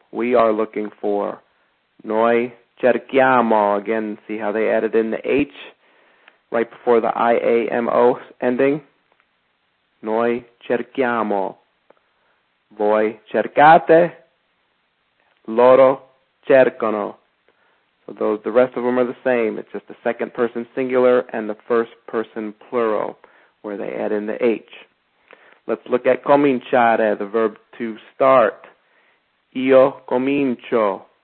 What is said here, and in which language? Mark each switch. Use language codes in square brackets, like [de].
[en] We are looking for [it] noi cerchiamo. [en] Again, see how they added in the H right before the I-A-M-O ending? [it] Noi cerchiamo. Voi cercate, loro cercano. [en] So those, the rest of them are the same. It's just the second person singular and the first person plural where they add in the H. Let's look at cominciare, the verb to start. [it] Io comincio.